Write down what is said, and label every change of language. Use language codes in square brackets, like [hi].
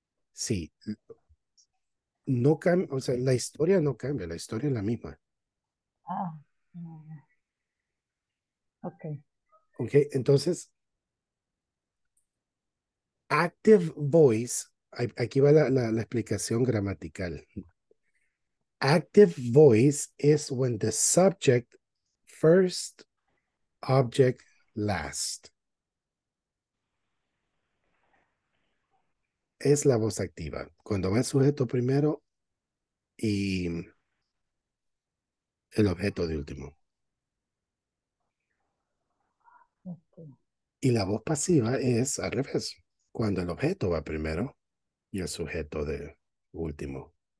[es] Sí. No cambia, o sea, la historia no cambia, la historia es la misma. Ah. Ok. Ok, entonces, active voice, aquí va la explicación gramatical. [en] Active voice is when the subject first, object last. [es] Es la voz activa. Cuando va el sujeto primero y el objeto de último. Y la voz pasiva es al revés. Cuando el objeto va primero y el sujeto de último.